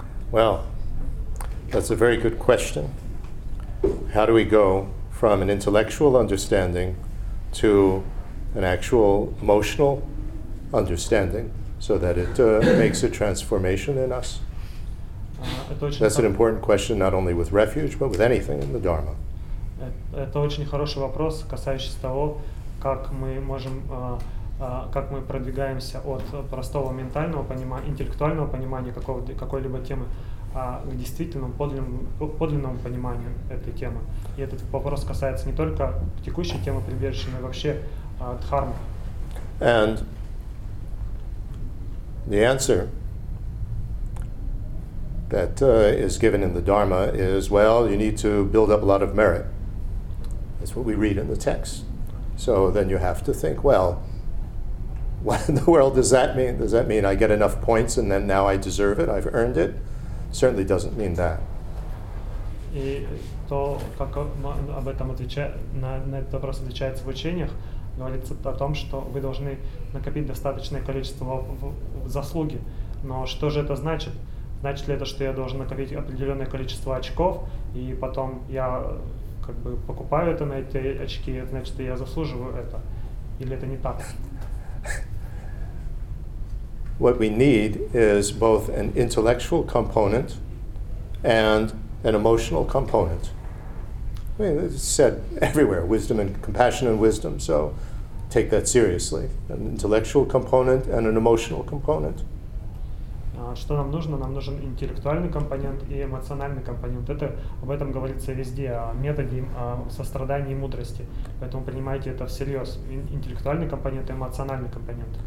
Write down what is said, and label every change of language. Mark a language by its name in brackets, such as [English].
[English] Well, that's a very good question. How do we go from an intellectual understanding to an actual emotional understanding so that it makes a transformation in us? That's an important question, not only with refuge, but with anything in the Dharma. [Russian] Это очень хороший вопрос, касающийся того, как мы можем, как мы продвигаемся от простого ментального понимания, интеллектуального понимания какой-либо темы, к действительному подлинному пониманию этой темы. И этот вопрос касается не только текущей темы прибежища, но и вообще дхармы. [English] And the answer that is given in the Dharma is, well, you need to build up a lot of merit. That's what we read in the text. So then you have to think, well, what in the world does that mean? Does that mean I get enough points and then now I deserve it? I've earned it? Certainly doesn't mean that. [Russian] И то, как об этом отвечает, на этот вопрос отвечается в учениях, говорится о том, что вы должны накопить достаточное количество заслуги. Но что же это значит? Значит ли это, что я должен накопить определенное количество очков, и потом я как бы покупаю это на эти очки, и это значит, что я заслуживаю это? Или это не так? [English] What we need is both an intellectual component and an emotional component. I mean, it's said everywhere, wisdom and compassion and wisdom, so take that seriously. An intellectual component and an emotional component. [Russian] Что нам нужно? Нам нужен интеллектуальный компонент и эмоциональный компонент. Это, об этом говорится везде, о методе, о сострадании и мудрости. Поэтому принимайте это всерьез. Интеллектуальный компонент и эмоциональный компонент.